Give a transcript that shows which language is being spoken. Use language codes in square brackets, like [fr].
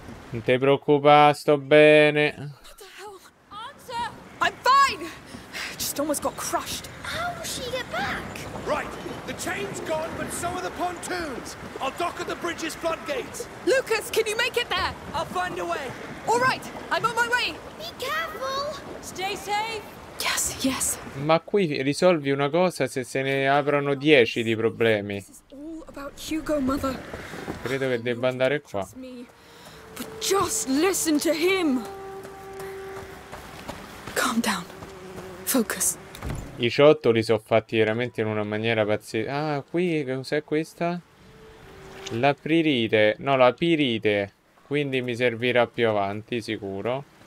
[it] Non ti preoccupare, sto bene. [en] I'm fine. Just almost got crushed. How will she get back? Right. The chain's gone, but so are the pontoons. I'll dock at the bridge's floodgates. Lucas, can you make it there? I'll find a way. All right, I'm on my way. Be careful. Stay safe. Yes, yes. [it] Ma qui risolvi una cosa se se ne aprono 10 di problemi. [en] This is all about Hugo, mother. [it] Credo che debba andare qua. [en] But just listen to him. Calm down. Focus. [it] I ciottoli sono fatti veramente in una maniera pazzesca. Ah, qui cos'è questa? La pirite. No, la pirite. Quindi mi servirà più avanti, sicuro.